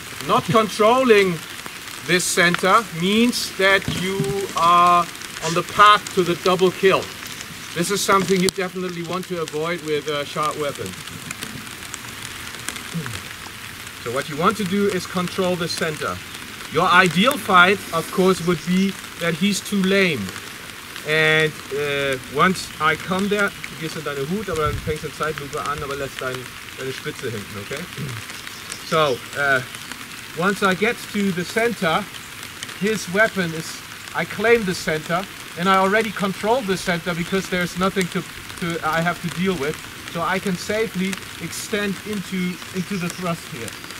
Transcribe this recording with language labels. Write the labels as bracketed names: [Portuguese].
[English] Not controlling this center means that you are on the path to the double kill. This is something you definitely want to avoid with a sharp weapon. So what you want to do is control the center. Your ideal fight, of course, would be that he's too lame. And once I come there, [German] du gehst in deine Hut, aber dann fängst du eine Zeitlupe an, aber lässt deine Spitze hinten, okay? [English] So, once I get to the center, his weapon is, I claim the center, and I already control the center because there's nothing I have to deal with. So I can safely extend into the thrust here.